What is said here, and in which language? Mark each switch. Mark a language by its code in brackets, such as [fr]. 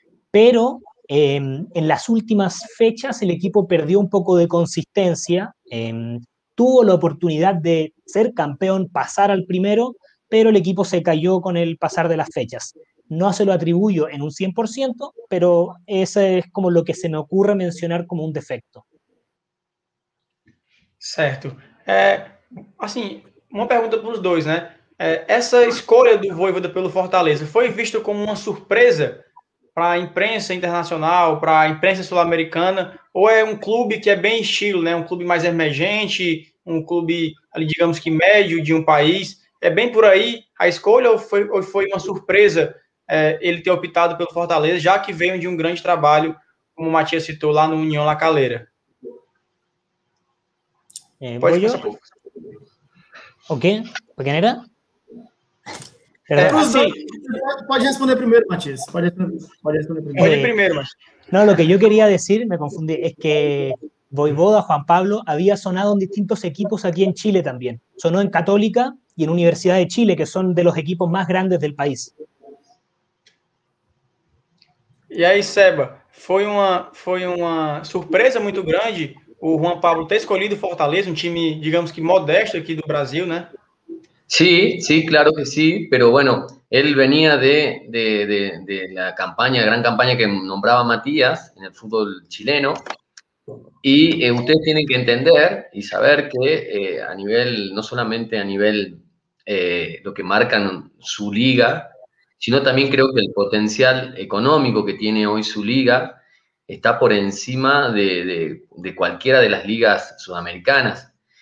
[es] Pero en las últimas fechas el equipo perdió un poco de consistencia, tuvo la oportunidad de ser campeón, pasar al primero, pero el equipo se cayó con el pasar de las fechas. No se lo atribuyo en un 100%, pero ese es como lo que se me ocurre mencionar como un defecto. [pt] Certo. [es] Así, una pregunta para los dos, ¿no? [pt] Essa escolha do Vojvoda pelo Fortaleza foi visto como uma surpresa para a imprensa internacional, para a imprensa sul-americana, ou é um clube que é bem estilo, né? Um clube mais emergente, um clube, ali, digamos que médio de um país. É bem por aí a escolha ou foi uma surpresa ele ter optado pelo Fortaleza, já que veio de um grande trabalho, como o Matias citou, lá no União La Calera? Pode passar por favor. [es] ¿O qué? ¿Por quién era? [pt] Pero, pode responder primeiro, Matias. Pode responder primeiro. [es] No, lo que yo quería decir, me confundí, es que Voivoda, Juan Pablo, había sonado en distintos equipos aquí en Chile también. Sonó en Católica y en Universidad de Chile, que son de los equipos más grandes del país. [pt] E aí, Seba, foi uma surpresa muito grande o Juan Pablo ter escolhido Fortaleza, um time, digamos que modesto aqui do Brasil, né? [es] Sí, sí, claro que sí, pero bueno, él venía de la campaña, gran campaña que nombraba Matías en el fútbol chileno, y ustedes tienen que entender y saber que a nivel, no solamente a nivel lo que marcan su liga, sino también creo que el potencial económico que tiene hoy su liga está por encima de cualquiera de las ligas sudamericanas.